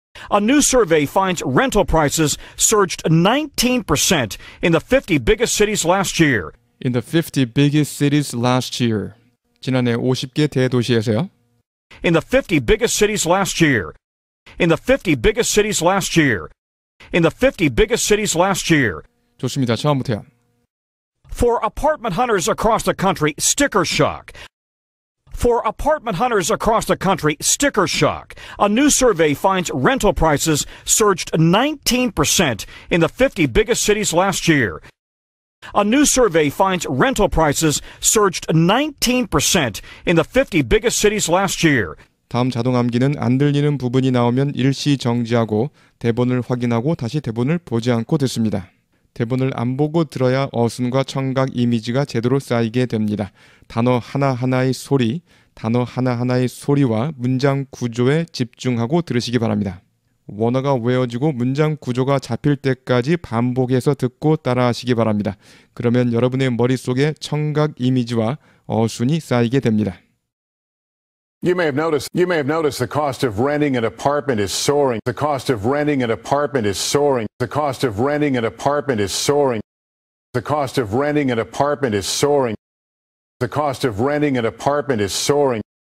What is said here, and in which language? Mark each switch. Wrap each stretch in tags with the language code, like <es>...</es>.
<en>A new survey finds rental prices surged 19% in the 50 biggest cities last year. In the 50 biggest cities last year.</en> <ko>지난해 50개 대도시에서요.</ko> <en>In the 50 biggest cities last year. In the 50 biggest cities last year. In the 50 biggest cities last year.</en> <ko>좋습니다. 처음부터요.</ko> <en>For apartment hunters across the country, sticker shock. For apartment hunters across the country, sticker shock. A new survey finds rental prices surged 19% in the 50 biggest cities last year. A new survey finds rental prices surged 19% in the 50 biggest cities last year.</en> <ko>다음 자동 암기는 안 들리는 부분이 나오면 일시 정지하고 대본을 확인하고 다시 대본을 보지 않고 듣습니다. 대본을 안 보고 들어야 어순과 청각 이미지가 제대로 쌓이게 됩니다. 단어 하나하나의 소리, 단어 하나하나의 소리와 문장 구조에 집중하고 들으시기 바랍니다. 원어가 외워지고 문장 구조가 잡힐 때까지 반복해서 듣고 따라하시기 바랍니다. 그러면 여러분의 머릿속에 청각 이미지와 어순이 쌓이게 됩니다.</ko> <en>You may have noticed the cost of renting an apartment is soaring. The cost of renting an apartment is soaring. The cost of renting an apartment is soaring. The cost of renting an apartment is soaring. The cost of renting an apartment is soaring.</en>